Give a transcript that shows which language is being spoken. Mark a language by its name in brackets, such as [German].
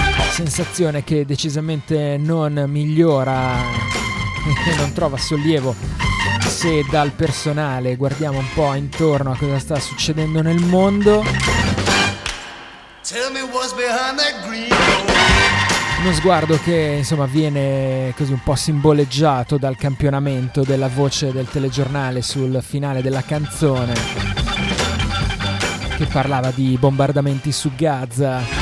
[Italian] Sensazione che decisamente non migliora, che non trova sollievo se dal personale guardiamo un po' intorno a cosa sta succedendo nel mondo. [English] Tell me what's behind that green. [Italian] Uno sguardo che, insomma, viene così un po' simboleggiato dal campionamento della voce del telegiornale sul finale della canzone, che parlava di bombardamenti su Gaza.